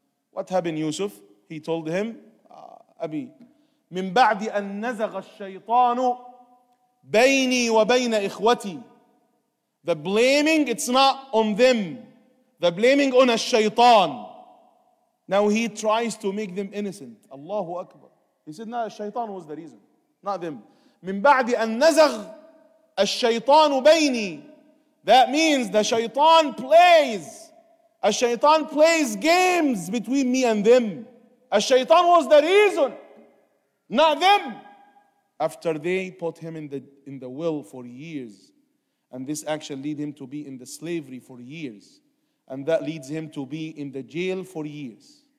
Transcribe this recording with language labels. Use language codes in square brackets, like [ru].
[en] What happened, Yusuf? He told him, [ar] Abi, min ba'di an nazagha ash-shaytanu bayni wa bayna ikhwati. [en] The blaming, it's not on them. The blaming on a shaytan. Now he tries to make them innocent. Allahu Akbar. He said, no, shaytan was the reason. Not them. [ar] من بعد أن نزغ الشيطان بيني. [en] That means the shaytan plays. A shaytan plays games between me and them. A shaytan was the reason. Not them. After they put him in the well for years. And this action lead him to be in the slavery for years. And that leads him to be in the jail for years.